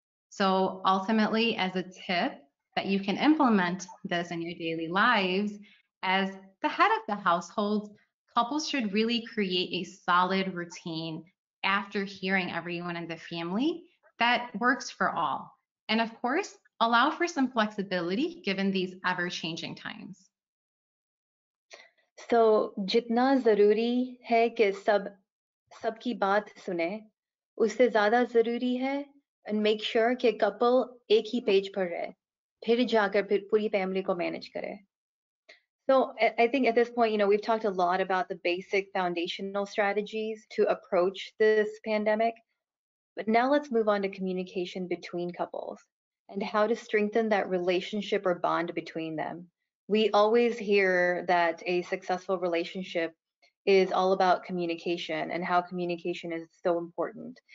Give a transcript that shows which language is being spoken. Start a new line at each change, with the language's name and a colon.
English: So ultimately, as a tip that you can implement this in your daily lives, as the head of the household, couples should really create a solid routine after hearing everyone in the family that works for all. And of course, allow for some flexibility given these ever-changing times.
Urdu: So، جتنا ضروری ہے کہ سب کی بات سنے، اس سے زیادہ ضروری ہے
English: and make sure
Urdu: کہ couple ایک ہی page پر رہے، پھر جا کر پوری family کو manage کرے۔
English: So I think at this point, you know, we've talked a lot about the basic foundational strategies to approach this pandemic, but now let's move on to communication between couples and how to strengthen that relationship or bond between them. We always hear that a successful relationship is all about communication and how communication is so important.